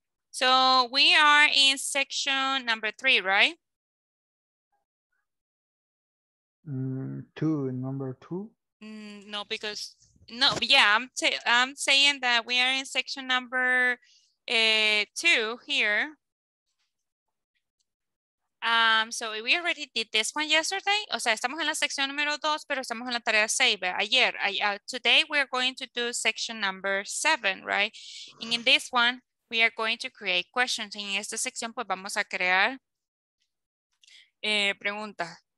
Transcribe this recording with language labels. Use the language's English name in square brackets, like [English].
[English] So we are in section number 3, right? Number two? No, because, no, yeah, I'm saying that we are in section number 2 here. So we already did this one yesterday. [Spanish] O sea, estamos en la sección número 2, pero estamos en la tarea 6. [English] Ayer, today we're going to do section number 7, right? And in this one, we are going to create questions. [Spanish] En esta sección, pues vamos a crear preguntas.